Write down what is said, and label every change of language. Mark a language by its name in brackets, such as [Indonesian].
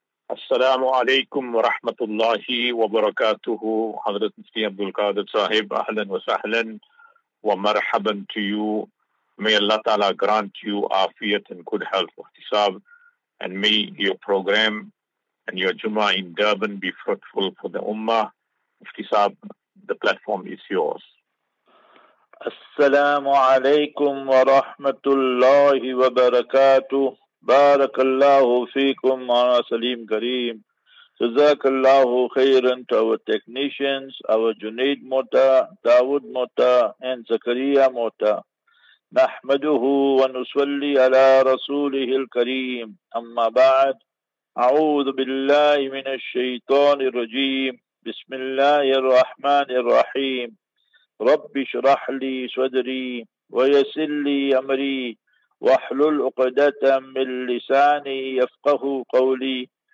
[Arabic] السلام عليكم ورحمة الله وبركاته. حضرة مفتي عبد القادر صاحب, أهلا وسهلا ومرحبا [English] to you. May Allah Ta'ala grant you afiyat and good health, Mufti Sahib, and may your program and your Jummah in Durban be fruitful for the Ummah. Mufti Sahib, the platform is yours. [Arabic] السلام عليكم ورحمة الله وبركاته. بارك الله فيكم معنا سليم كريم. جزاك الله خيرا [English] to our technicians, our Junaid Mota, Dawood Mota and Zakaria Mota. [Arabic] نحمده ونصلي على رسوله الكريم. أما بعد, أعوذ بالله من الشيطان الرجيم. بسم الله الرحمن الرحيم. رب اشرح لي صدري ويسر لي أمري واحلل عقدة من لساني يفقه قولي.